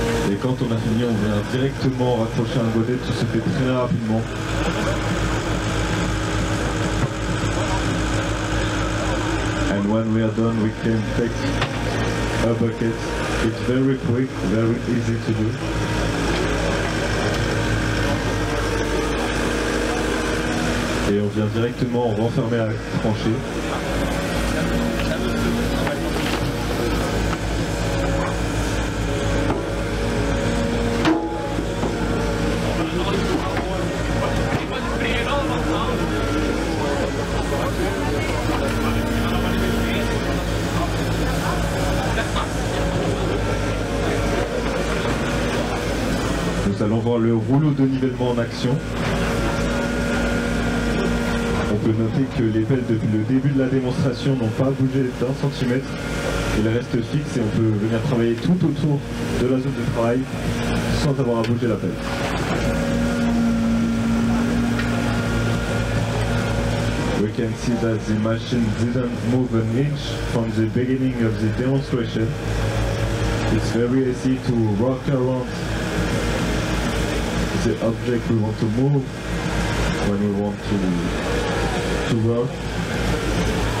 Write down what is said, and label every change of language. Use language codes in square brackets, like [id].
[fr] Et quand on a fini, on vient directement raccrocher un godet, tout se fait très rapidement. [en] And when we are done, we can take a bucket. It's very quick, very easy to do. [fr] Et on vient directement renfermer la tranchée. Le rouleau de nivellement en action. On peut noter que les pelles depuis le début de la démonstration n'ont pas bougé d'un centimètre. Il reste fixe et on peut venir travailler tout autour de la zone de travail sans avoir à bouger la pelle. [en] We can see that the machine didn't move an inch from the beginning of the demonstration. It's very easy to rock around the object we want to move when we want to work.